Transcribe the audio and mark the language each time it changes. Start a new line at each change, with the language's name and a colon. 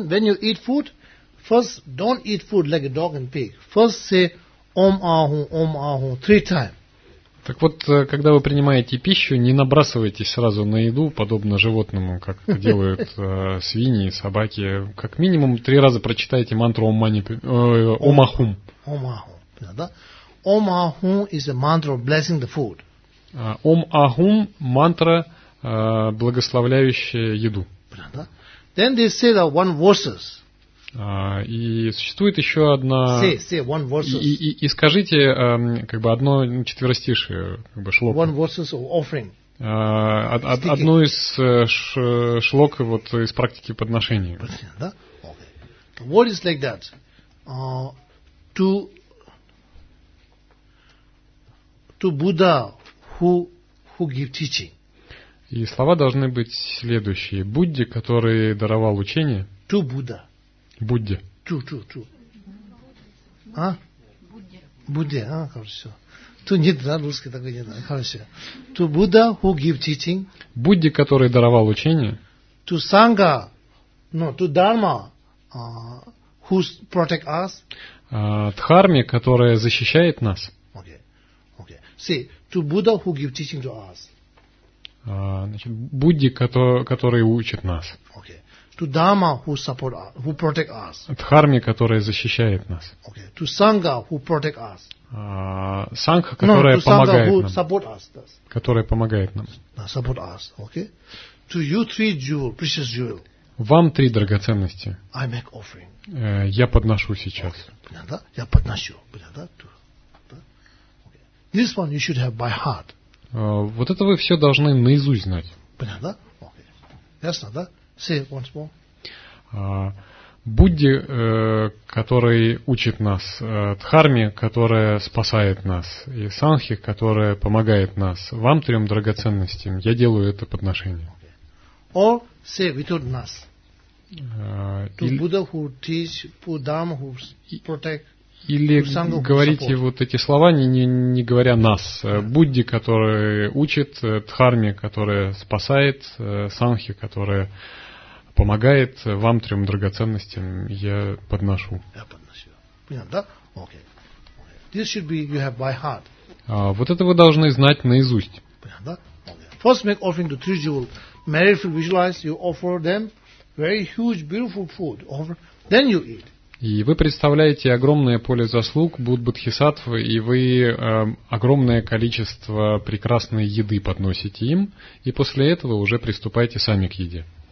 English: Then when you eat food, first don't eat food like a dog and pig. First say Om Ahu three times.
Russian: Так вот, когда вы принимаете пищу, не набрасывайтесь сразу на еду, подобно животному, как делают свиньи, собаки. Как минимум три раза прочитайте мантру Om Mani Om Ahu. Om Ahu, да?
English: Om Ahu is a mantra of blessing the food.
Russian: Om Ahu мантра благословляющая еду.
English: Then they say that one verses.
Russian: И существует еще одна.
English: Say one verses.
Russian: И скажите как бы одно четверостишие, как бы шлок.
English: One verses of offering.
Russian: Одну из шлок вот из практики подношения.
English: Да. Okay. What is like that? To Buddha who give teaching.
Russian: И слова должны быть следующие. Будде, который даровал учение.
English: To Buddha.
Russian: Будде. To. А? Будде. Будде, а, хорошо. To нет, да, русский такой нет.
English: Хорошо. To Buddha, who give teaching.
Russian: Будде, который даровал учение.
English: To Sangha, no, to Dharma, who protect us.
Russian: Дхарме, которая защищает нас.
English: Okay. See, to Buddha, who give teaching to us.
Russian: Значит, Будди, который учит нас.
English: Okay. To Dharma, who support us, who protect us.
Russian: Дхарме, которая защищает нас.
English: Okay. To Sangha, who protect us.
Russian: Сангха, которая помогает нам.
English: Support us.
Russian: Которая помогает нам.
English: Support us. Okay. To you three jewel, precious jewel.
Russian: Вам три драгоценности.
English: I make offering.
Russian: Я подношу сейчас.
English: Okay. Да?
Russian: Я подношу.
English: Да? Да? Okay. This one you should have by heart.
Russian: Вот это вы все должны наизусть знать. Понятно, да?
English: Okay.
Russian: Ясно, да?
English: Say once more.
Russian: Будди, который учит нас, Дхарме, которая спасает нас, и Сангхи, которая помогает нас, вам трем драгоценностям, я делаю это подношение.
English: Okay. Or say without us. To Buddha who teach, to Dharma who protect.
Russian: Или говорите вот эти слова, не говоря нас. Будди, который учит, Дхарме, которая спасает, Сангхи, которая помогает вам трем драгоценностям, я подношу. Я подношу. Понятно, да? Окей.
English: This should be you have by heart.
Russian: Вот это вы должны знать наизусть. Понятно, да?
English: Okay. First make offering to three jewels. Mary will visualize you offer them very huge, beautiful food. Then you eat.
Russian: И вы представляете огромное поле заслуг Будд Бодхисаттвы, и вы огромное количество прекрасной еды подносите им, и после этого уже приступаете сами к еде.